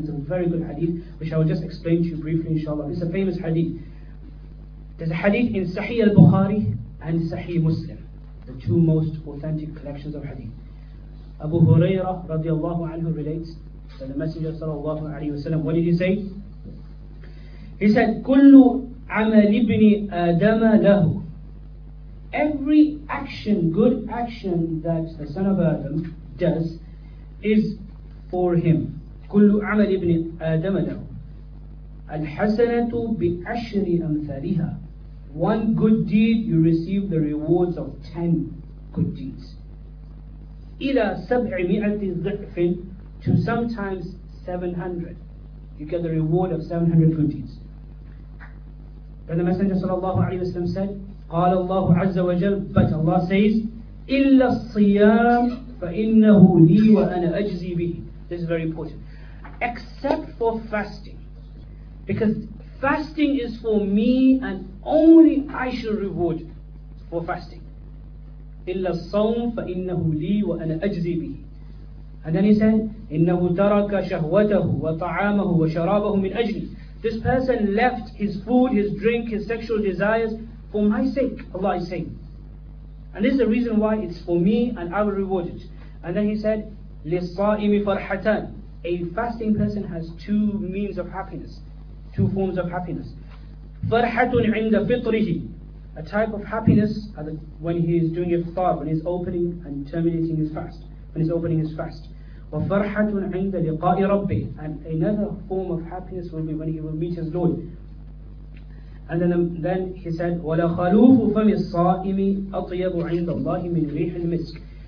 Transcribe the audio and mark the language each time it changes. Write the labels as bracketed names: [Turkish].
[English] It's a very good hadith, which I will just explain to you briefly, inshallah. It's a famous hadith. There's a hadith in Sahih al-Bukhari and Sahih Muslim, the two most authentic collections of hadith. Abu Hurairah radiallahu anhu relates that the Messenger sallallahu alayhi wa sallam, what did he say? He said, [Arabic] "Kullu عمل ابن آدم له." [English] Every action, good action that the son of Adam does is for him. [Arabic] كل عمل ابن آدم له الحسنة بعشر أمثالها. [English] One good deed, you receive the rewards of 10 good deeds. [Arabic] إلى 700 ضعف, [English] to sometimes 700. You get the reward of 700 good deeds. And the Messenger sallallahu alayhi wa sallam said, [Arabic] قال الله عز وجل, [English] but Allah says, [Arabic] إلا الصيام فإنه لي وأنا أجزي به. [English] This is very important. Except for fasting. Because fasting is for me and only I shall reward for fasting. [Arabic] إلا الصوم فإنه لي وأنا أجزي به. [English] And then he said, [Arabic] إنه ترك شهوته وطعامه وشرابه من أجلي. [English] This person left his food, his drink, his sexual desires for my sake, Allah is saying. And this is the reason why it's for me and I will reward it. And then he said, [Arabic] لِلصَّائِمِ فَرْحَتَانِ. [English] A fasting person has two means of happiness, two forms of happiness. [Arabic] فَرْحَةٌ عِنْدَ فِطْرِهِ. [English] A type of happiness when he is doing iftar, when he's opening and terminating his fast, when he's opening his fast. [Arabic] وفرحة عند لقاء ربي. [English] And another form of happiness will be when he will meet his Lord. And then he said, [Arabic] ولخلوف فم الصائم أطيب عند الله من ريح المسك.